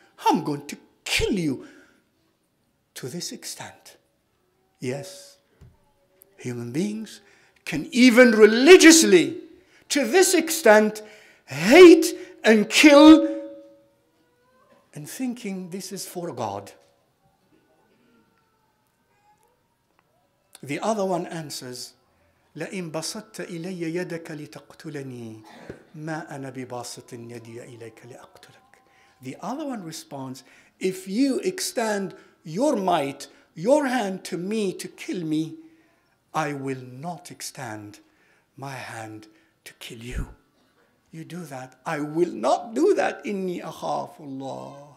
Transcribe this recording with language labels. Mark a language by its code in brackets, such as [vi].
[en] I'm going to kill you to this extent. Yes, human beings can even religiously, to this extent, hate and kill and thinking this is for God. The other one answers, [ar] لَإِنْ بَسَطْتَ إِلَيَّ يَدَكَ لِتَقْتُلَنِي مَا أَنَا بِبَاسِطٍ يَدِيَ إِلَيْكَ لِأَقْتُلَكَ. [en] The other one responds, if you extend your might, your hand to me to kill me, I will not extend my hand to kill you. You do that. I will not do that. [ar] إِنِّي أَخَافُ اللَّهِ.